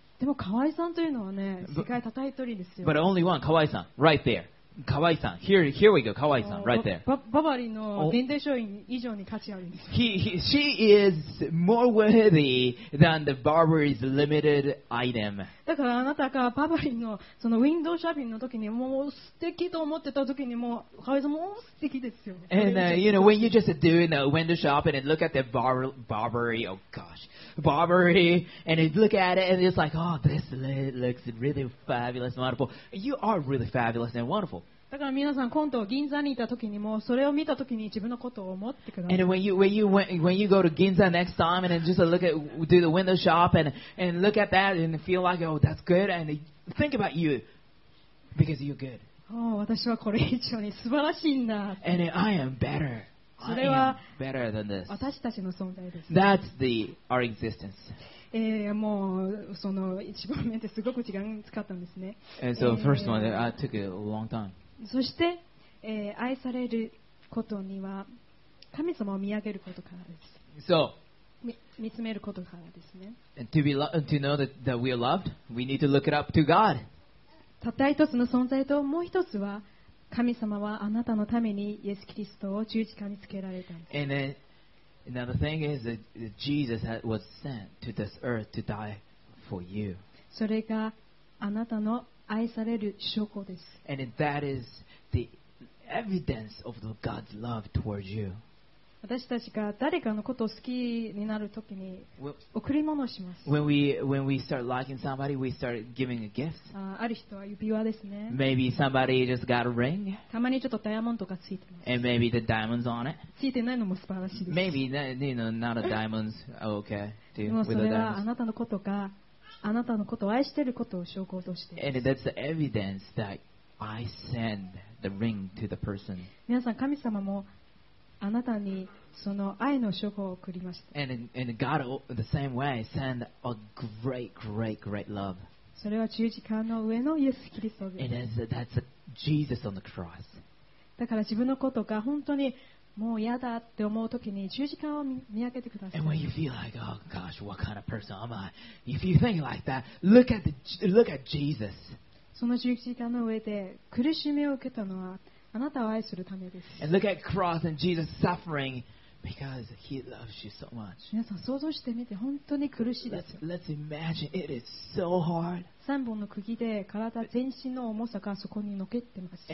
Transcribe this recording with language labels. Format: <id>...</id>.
<ja>でも Kawai-san というのはね、世界叩いとりですよ。</ja> <en>But only one, Kawai-san, right there. Kawai-san, here we go, Kawai-san, right there.</en> <ja>Babari の限定商品以上に価値あるんです。</ja> <en>She is more worthy than the Barbary's limited item.</en> <ja>だからあなたがバーバリーのそのウィンドウショッピングの時にもう素敵と思ってた時にもう Kawai-san もう素敵ですよ。</ja> <en>And you know, when you're just doing a window shopping and look at the Barbary, oh gosh, Barbary, and you look at it and it's like, oh, this looks really fabulous and wonderful. You are really fabulous and wonderful.</en> <ja>だから皆さん今度銀座にいた時にもそれを見た時に自分のことを思ってください。</ja> <en>And when you go to Ginza next time and just look at do the window shop and look at that and feel like oh that's good and think about you because you're good.</en> <ja>Oh, 私はこれ以上に素晴らしいんだ。</ja> <en>And I am better.</en> <ja>それは</ja> <en>better than this.</en> <ja>私たちの存在です。</ja> <en>That's the our existence.</en> <ja>もうその一番目ってすごく時間使ったんですね。</ja> <en>So first one, I took a long time.</en> <ja>そして、愛されることには神様を見上げることからです。</ja> <en>So,</en> <ja>見つめることからですね。</ja> <en>And to know that we are loved, we need to look it up to God.</en> <ja>たった一つの存在ともう一つは神様はあなたのためにイエス・キリストを十字架につけられたんです。</ja> <en>And then,Another thing is that Jesus was sent to this earth to die for you.</en> <ja>それがあなたの愛される証拠です。</ja> <en>And that is the evidence of God's love towards you.</en> <ja>私たちが誰かのことを好きになるときに贈り物をします。</ja> <en>When we start liking somebody, we start giving a gift.</en> <ja>ある人は指輪ですね。</ja> <en>Maybe somebody just got a ring.</en> <ja>たまにちょっとダイヤモンドがついてます。</ja> <en>And maybe the diamonds on it.</en> <ja>ついてないのも素晴らしいです。</ja> <en>Maybe that, you know, not a diamonds. Okay.</en> <ja>でもそれはあなたのことがあなたのことを愛していることを証拠としています</ja> <en>And that's the evidence that I send the ring to the person.</en> <ja>皆さん神様もあなたにその愛の証拠を送りました。</ja> <en>And God, the same way, send a great, great, great love.</en> <ja>それは十字架の上のイエス・キリストです。</ja> <en>And that's Jesus on the cross.</en> <ja>だから自分のことが本当にもう嫌だって思うときに十字架を見上げてください。</ja> <en>And when you feel like, oh gosh, what kind of person am I? If you think like that, look at Jesus.</en> <ja>その十字架の上で苦しみを受けたのはあなたを愛するためです。</ja> <en>And look at cross and Jesus suffering because he loves you so much.</en> <ja>皆さん想像してみて本当に苦しいです。</ja> <en>Let's imagine it is so hard.</en> <ja>三本の釘で体全身の重さがそこにのけてます。</ja>